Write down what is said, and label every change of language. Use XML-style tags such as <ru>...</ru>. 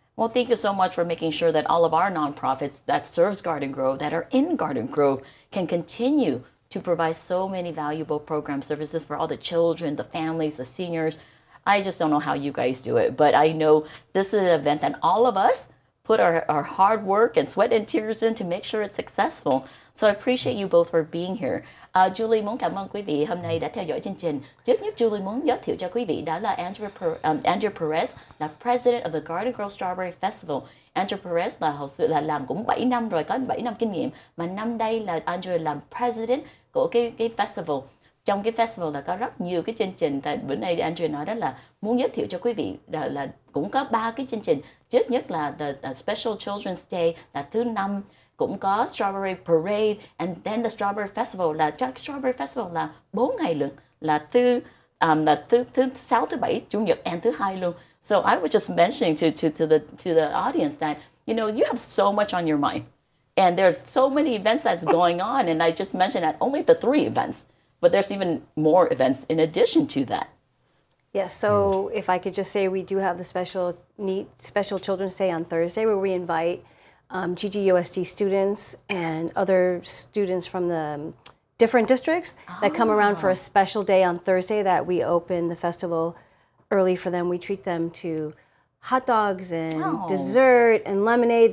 <en>Well, thank you so much for making sure that all of our nonprofits that serves Garden Grove, that are in Garden Grove, can continue to provide so many valuable program services for all the children, the families, the seniors. I just don't know how you guys do it, but I know this is an event that all of us put our hard work and sweat and tears in to make sure it's successful. So I appreciate you both for being here.</en> <vi>Julie muốn cảm ơn quý vị hôm nay đã theo dõi chương trình. Trước nhất Julie muốn giới thiệu cho quý vị đó là Andrea Perez, là</vi> <en>President of the Garden Grove Strawberry Festival.</en> <vi>Andrea Perez là hồi xưa là làm cũng 7 năm rồi, có 7 năm kinh nghiệm. Mà năm đây là Andrea làm President của cái festival. Trong cái festival là có rất nhiều cái chương trình. Tại bữa nay Andrea nói đó là muốn giới thiệu cho quý vị là cũng có 3 cái chương trình. Trước nhất là the Special Children's Day là thứ năm. Cũng có Strawberry Parade,</vi> <en>and then</en> <vi>the Strawberry Festival là Strawberry Festival là 4 ngày luôn, là thứ 6, thứ 7, Chủ nhật, and thứ 2 luôn.</vi> <en>So I was just mentioning to the audience that, you know, you have so much on your mind, and there's so many events that's going on, and I just mentioned that only the 3 events, but there's even more events in addition to that. Yes, yeah, so if I could just say, we do have the special Children's Day on Thursday, where we invite GGUSD students and other students from the different districts that come around for a special day on Thursday that we open the festival early for them. We treat them to hot dogs and dessert and lemonade.</en>